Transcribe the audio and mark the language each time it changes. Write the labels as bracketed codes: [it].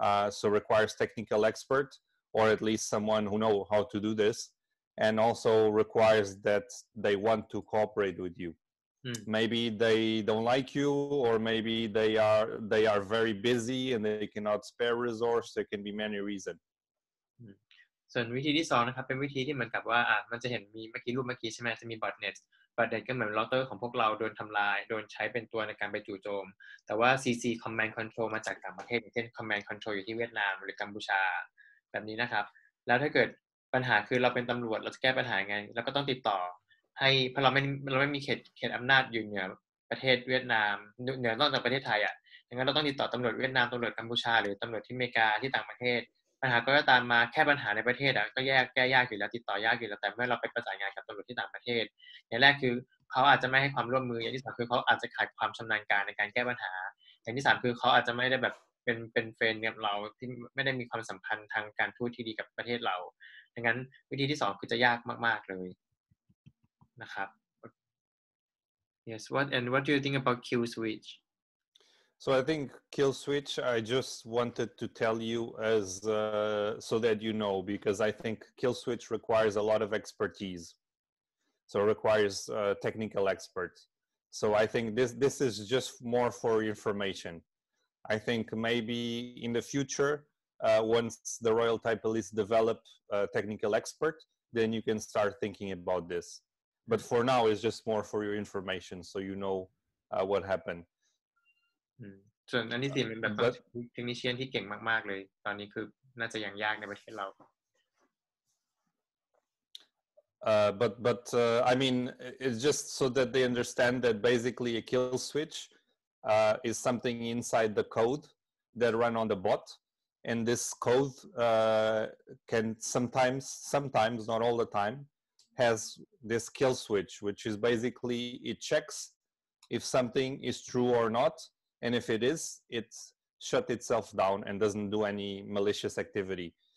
[en] So requires technical expert or at least someone who know how to do this, and also requires that they want to cooperate with you. Mm. Maybe they don't like you, or maybe they are very busy and they cannot spare resource. There can be many reasons. [th] ส่วนวิธีที่สองนะครับเป็นวิธีที่เหมือนกับว่าอ่ะมันจะเห็นมีเมื่อกี้รูปเมื่อกี้ใช่ไหมจะมีบอทเน็ตบอทเน็ตก็เหมือนเราเตอร์ของพวกเราโดนทำลายโดนใช้เป็นตัวในการไปจู่โจมแต่ว่า CC Command Control มาจากต่างประเทศอย่างเช่น Command Control อยู่ที่เวียดนามหรือกัมพูชา แบบนี้นะครับแล้วถ้าเกิดปัญหาคือเราเป็นตำรวจเราจะแก้ปัญหาไงเราก็ต้องติดต่อให้เพราะเราไม่มีเขตอำนาจอยู่เหนือประเทศเวียดนามเหนือนอกจากประเทศไทยอ่ะดังนั้นเราต้องติดต่อตำรวจเวียดนามตำรวจกัมพูชาหรือตำรวจที่อเมริกาที่ต่างประเทศปัญหาก็จะตามมาแค่ปัญหาในประเทศอ่ะก็แยกแก้ยากอยู่แล้วติดต่อยากอยู่แล้วแต่เมื่อเราไปประสานงานกับตำรวจที่ต่างประเทศอย่างแรกคือเขาอาจจะไม่ให้ความร่วมมืออย่างที่สองคือเขาอาจจะขาดความชำนาญการในการแก้ปัญหา อย่างที่สามคือเขาอาจจะไม่ได้แบบเป็นเฟรนด์กับเราที่ไม่ได้มีความสัมพันธ์ทางการทูตที่ดีกับประเทศเราดังนั้นวิธีที่สองคือจะยากมากๆเลยนะครับ [en] Yes what do you think about kill switch So I think kill switch, I just wanted to tell you as so that you know, because I think kill switch requires a lot of expertise. So it requires technical experts. So I think this is just more for information. I think maybe in the future, once the Royal Thai Police develop a technical expert, then you can start thinking about this. But for now, it's just more for your information, so you know what happened. [th] ส่วนอันที่สี่เป็นแบบเทคนิชเชียนที่เก่งมากๆเลยตอนนี้คือน่าจะยังยากในประเทศเรา [en] but I mean it's just so that they understand that basically a kill switch is something inside the code that run on the bot and this code can sometimes not all the time has this kill switch which is basically it checks if something is true or notAnd if it is, it shut itself down and doesn't do any malicious activity.